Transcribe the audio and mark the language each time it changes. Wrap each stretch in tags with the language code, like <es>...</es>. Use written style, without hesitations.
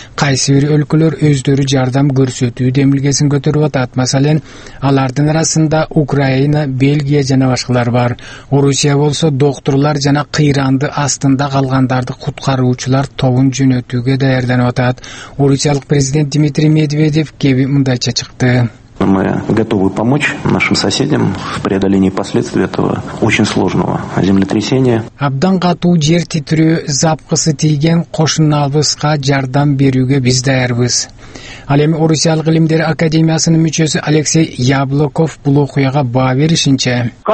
<ky>Кайсы бир өлкөлөр өздөрү жардам көрсөтүү демилгесин көтөрүп атат. Масалан, алардын арасында Украина, Бельгия жана башкалар бар. Орусия болсо доктурлар жана кыйранды астында калгандарды куткаруучулар тобун жөнөтүүгө даярданып атат. Орусиялык президент Дмитрий Медведев кеби мындайча чыкты.</ky> <ru>Мы готовы помочь нашим соседям в преодолении последствий этого очень сложного землетрясения.</ru> <ky>Абдан катуу жер титирөө запкысы тийген кошуналыбызга жардам берүүгө биз даярбыз. Ал эми Орусиялык илимдер академиясынын мүчөсү Алексей Яблоков бул окуяга баа беришинче.</ky>